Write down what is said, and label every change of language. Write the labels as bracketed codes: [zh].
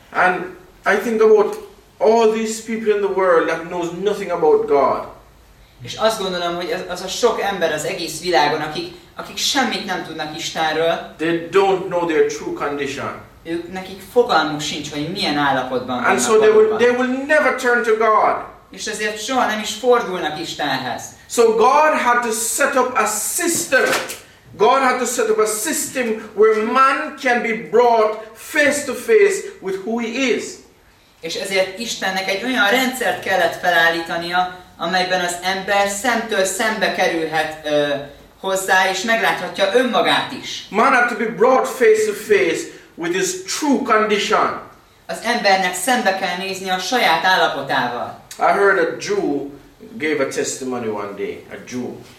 [en] And I think about all these people in the world that knows nothing about God. [hu] És azt gondolom, hogy az a sok ember az egész világon, akik semmit nem tudnak Istenről. [en] They don't know their true condition. [hu] ők nekik fogalmuk sincs, hogy milyen állapotban vannak. [en] And so they will never turn to God. [hu] És ezért soha nem is fordulnak Istenhez. [en] So God had to set up a system. God had to set up a system where man can be brought face to face with who he is. [hu] És ezért Istennek egy olyan rendszert kellett felállítania, amelyben az ember szemtől szembe kerülhet hozzá, és megláthatja önmagát is. [en] Man had to be brought face to face with his true condition. [hu] Az embernek szembe kell nézni a saját állapotával. [en] I heard a Jew gave a testimony one day, a Jew.